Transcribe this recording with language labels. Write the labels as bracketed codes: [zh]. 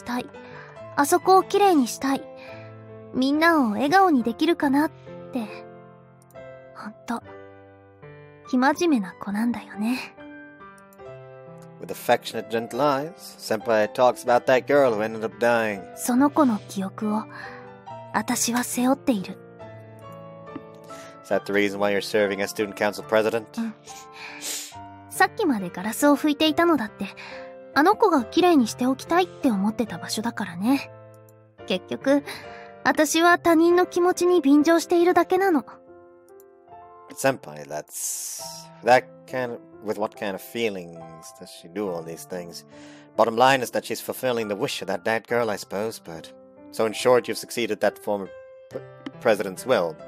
[ja] その子は本当にこの学園が大好きだったから、もっと楽しい学園にしたい、あそこをきれいにしたい。みんなを笑顔にできるかなって、本当。 [en] With affectionate, gentle eyes, Senpai talks about that girl who ended up dying. [ja] その子の記憶を、私は背負っている。 [en] Is that the reason why you're serving as student council president? [ja] さっきまでガラスを拭いていたのだって、あの子がきれいにしておきたいって思ってた場所だからね。結局、私は他人の気持ちに便乗しているだけなの。 [en] Senpai, that's... That kind of... With what kind of feelings does she do all these things? Bottom line is that she's fulfilling the wish of that dead girl, I suppose, but... So in short, you've succeeded that former president's will.